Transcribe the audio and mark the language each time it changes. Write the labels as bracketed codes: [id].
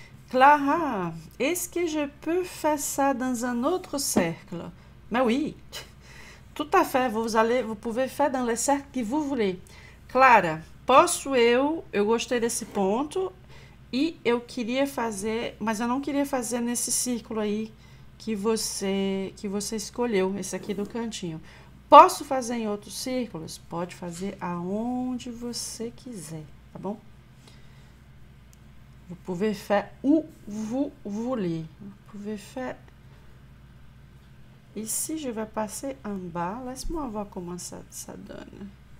[fr] Clara, est-ce que je peux faire ça dans un autre cercle? Mais oui, tout à fait, vous pouvez faire dans le cercle que vous voulez. [pt] Clara, eu gostei desse ponto e eu queria fazer, mas eu não queria fazer nesse círculo aí que você escolheu, esse aqui do cantinho. Posso fazer em outros círculos? Pode fazer aonde você quiser, tá bom? [fr] Vous pouvez faire où vous voulez. Vous pouvez faire. Ici, je vais passer en bas. Laisse-moi voir comment ça donne.